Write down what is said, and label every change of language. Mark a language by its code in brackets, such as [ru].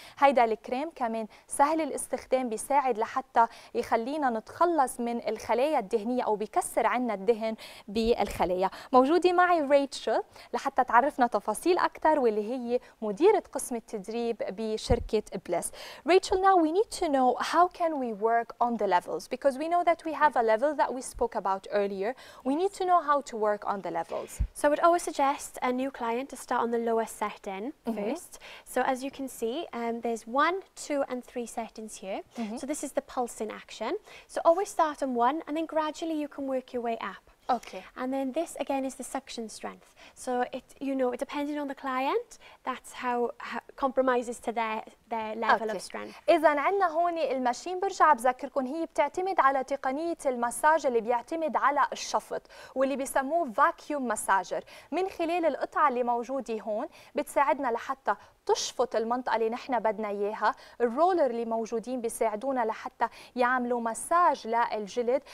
[ar] هيدا الكريم كمان سهل الاستخدام، بيساعد لحتى يخلينا نتخلص من الخلايا الدهنية أو بيكسر عنا الدهن بالخلايا. موجودة معي ريتشل لحتى تعرفنا تفاصيل أكتر، واللي هي مديرة قسم التدريب بشركة Bliss. [en] Rachel, now we need to know how can we work on the levels, because we know that we have a level that we spoke about earlier. We need to know how to work on the levels. So I would always suggest a new client to start on the lower setting first. So as you can see, there's 1, 2, and 3 settings here. So this is the pulsing action. So always start on 1 and then gradually you can work your way up. Okay. And then this again is the suction strength. So it, you know, depending on the client, that's how compromises to their the level okay. of strength. [ar] إذا عنا هون الماشين برجع بذكركم هي بتعتمد على تقنية المساج اللي بيعتمد على الشفط واللي بيسموه vacuum massager. من خلال القطعة اللي موجودة هون بتساعدنا لحتى تشفط المنطقة اللي نحن بدنا إياها. الرولر اللي موجودين بيساعدونا لحتى يعملوا مساج للجلد.